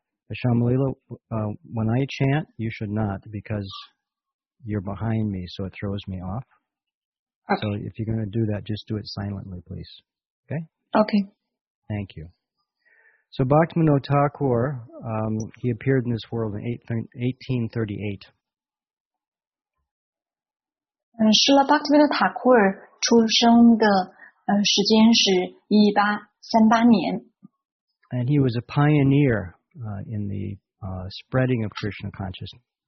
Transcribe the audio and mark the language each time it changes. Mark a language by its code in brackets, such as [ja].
[en] Ashamalila, when I chant, you should not because you're behind me, so it throws me off. Okay. So if you're going to do that, just do it silently, please. Okay? Okay. Thank you. So Bhaktivinoda Thakur, he appeared in this world in 1838. [zh] Srila Bhaktivinoda Thakur 出生的时间是1838年. [en] And he was a pioneer. In the spreading of Krishna consciousness.